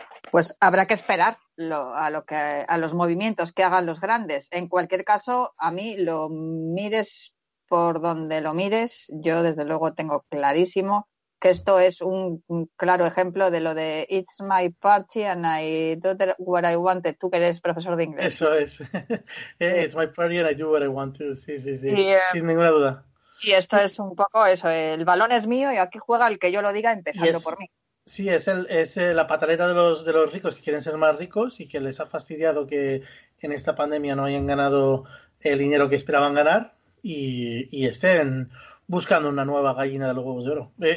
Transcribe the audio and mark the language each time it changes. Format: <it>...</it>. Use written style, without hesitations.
<es>Pues habrá que esperar a los movimientos que hagan los grandes. En cualquier caso, a mí lo mires por donde lo mires, yo desde luego tengo clarísimo que esto es un claro ejemplo de lo de</es> <en>it's my party and I do what I want,</en> <es>tú que eres profesor de inglés. Eso es.</es> <en>It's my party and I do what I want to.</en> <es>Sí, sí, sí. Yeah. Sin ninguna duda. Y esto es un poco eso, el balón es mío y aquí juega el que yo lo diga empezando por mí. Sí, es la pataleta de los ricos que quieren ser más ricos y que les ha fastidiado que en esta pandemia no hayan ganado el dinero que esperaban ganar y estén buscando una nueva gallina de los huevos de oro.</es>